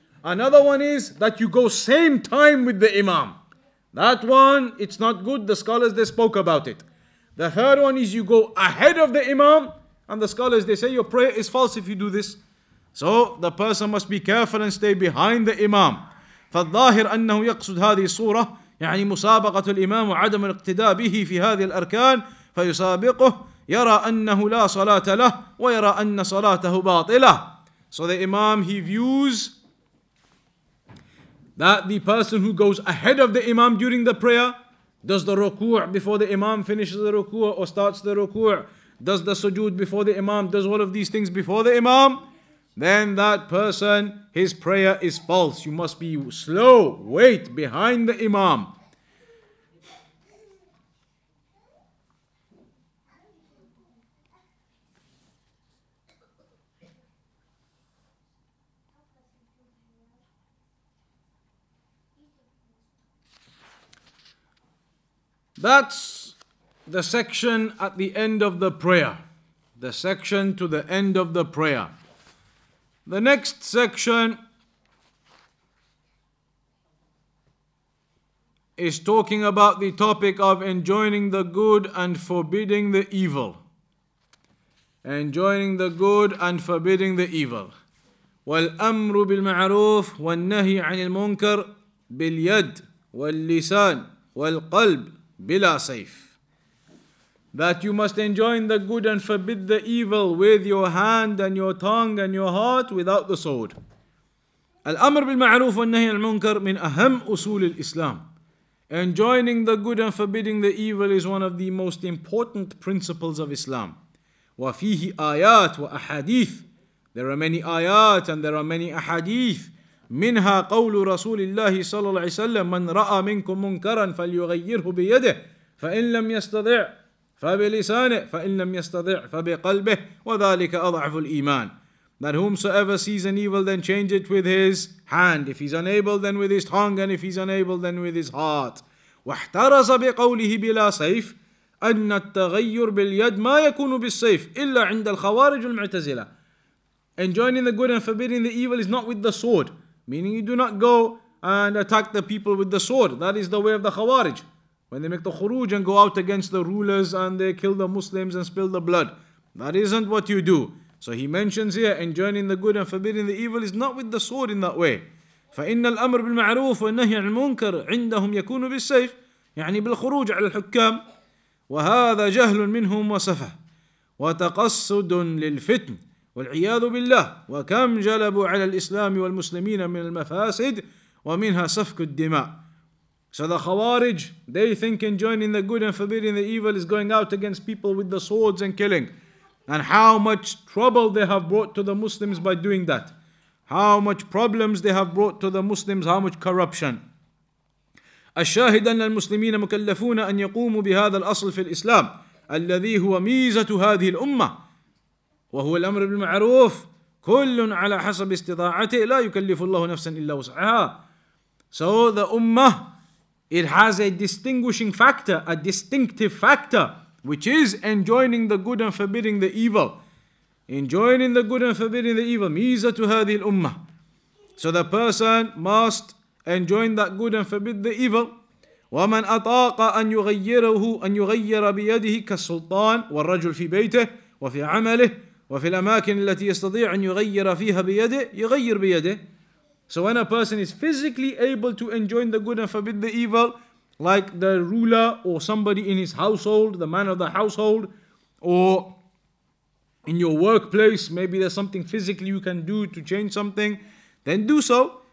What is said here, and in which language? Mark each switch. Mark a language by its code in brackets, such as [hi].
[en] Another one is that you go same time with the imam. That one, it's not good. The scholars, they spoke about it. The third one is you go ahead of the imam. And the scholars, they say your prayer is false if you do this. So the person must be careful and stay behind the imam. [ar] فالظاهر أنه يقصد هذه الصورة يعني مسابقة الإمام وعدم الاقتداء به في هذه الأركان فيسابقه يرى أنه لا صلاة له ويرى أن صلاته باطلة. [en] So the imam, he views that the person who goes ahead of the imam during the prayer, does the ruku' before the imam finishes the ruku' or starts the ruku', does the sujood before the imam, does all of these things before the imam, then that person, his prayer is false. You must be slow, wait behind the imam. That's the section at the end of the prayer. The section to the end of the prayer. The next section is talking about the topic of enjoining the good and forbidding the evil. Enjoining the good and forbidding the evil. [ar] والأمر بالمعروف والنهي عن المنكر باليد واللسان والقلب بلا سيف. [en] That you must enjoin the good and forbid the evil with your hand and your tongue and your heart without the sword. [ar] الأمر بالمعروف والنهي عن المنكر من أهم أصول الإسلام. [en] Enjoining the good and forbidding the evil is one of the most important principles of Islam. [ar] وفيه آيات وأحاديث. [en] There are many آيات and there are many أحاديث. [ar] منها قول رسول الله صلى الله عليه وسلم من رأى منكم منكرا فليغيره بيده فإن لم يستطع فبلسانه فإن لم يستطع فبقلبه وذلك أضعف الإيمان. [en] That whomsoever sees an evil, then change it with his hand. If he's unable, then with his tongue. And if he's unable, then with his heart. [ar] واحترز بقوله بلا سيف أن التغير باليد ما يكون بالسيف إلا عند الخوارج المعتزلة. [en] Enjoining the good and forbidding the evil is not with the sword. Meaning you do not go and attack the people with the sword. That is the way of the Khawarij. When they make the khuruj and go out against the rulers and they kill the Muslims and spill the blood. That isn't what you do. So he mentions here, enjoining the good and forbidding the evil is not with the sword in that way. [ar] فَإِنَّ الْأَمْرُ بِالْمَعْرُوفُ وَالنَّهِي عَنِ الْمُنْكَرِ عِنْدَهُمْ يَكُونُ بِالسَّيْفِ يعني بالخروج على الحكام. وَهَذَا جَهْلٌ مِنْهُمْ وَسَفَهُ وَتَقَصُّدٌ لِلْفِتْنِ وَالْعِيَاذُ بِاللَّهِ وَكَمْ جَلَبُوا عَلَى الْإِسْلَامِ وَالْمُسْلِمِينَ مِنَ الْمَفَاسِدِ وَمِنْهَا سَفْكُ الدِّمَاءِ. [en] So the Khawarij, they think enjoining the good and forbidding the evil is going out against people with the swords and killing. And how much trouble they have brought to the Muslims by doing that. How much problems they have brought to the Muslims, how much corruption. [ar] الشاهد أن المسلمين مكلفون أن يقوموا بهذا الأصل في الإسلام الذي هو ميزة هذه الأمة وهو الأمر بالمعروف كل على حسب استطاعته لا يكلف الله نفسا إلا وسعها. [en] So the Ummah, it has a distinguishing factor, a distinctive factor, which is enjoining the good and forbidding the evil. Enjoining the good and forbidding the evil. [ar] ميزة هذه الأمة. [en] So the person must enjoin that good and forbid the evil. [ar] ومن أطاق أن يغيره أن يغير بيده كالسلطان والرجل في بيته وفي عمله وفي الأماكن التي يستطيع أن يغير فيها بيده يغير بيده. [en] So when a person is physically able to enjoin the good and forbid the evil, like the ruler or somebody in his household, the man of the household, or in your workplace, maybe there's something physically you can do to change something, then do so.